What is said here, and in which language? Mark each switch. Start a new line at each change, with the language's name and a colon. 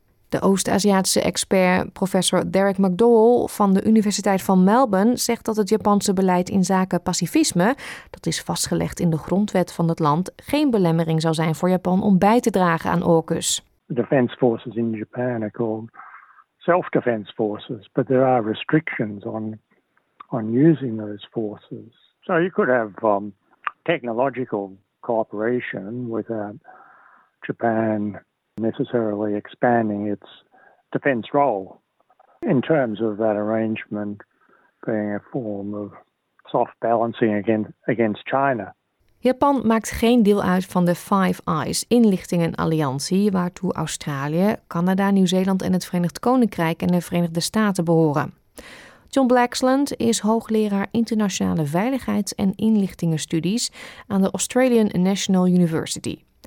Dutch: De Oost-Aziatische expert professor Derek McDowell van de Universiteit van Melbourne zegt dat het Japanse beleid in zaken pacifisme, dat is vastgelegd in de grondwet van het land, geen belemmering zal zijn voor Japan om bij te dragen aan AUKUS.
English: Defense forces in Japan are called self-defense forces, but there are restrictions on using those forces. So you could have technological cooperation with Japan necessarily expanding its defense role in terms of that arrangement being a form of soft balancing against China.
Dutch: Japan maakt geen deel uit van de Five Eyes inlichtingenalliantie, waartoe Australië, Canada, Nieuw-Zeeland en het Verenigd Koninkrijk en de Verenigde Staten behoren. John Blaxland is hoogleraar internationale veiligheids- en inlichtingenstudies aan de Australian National University.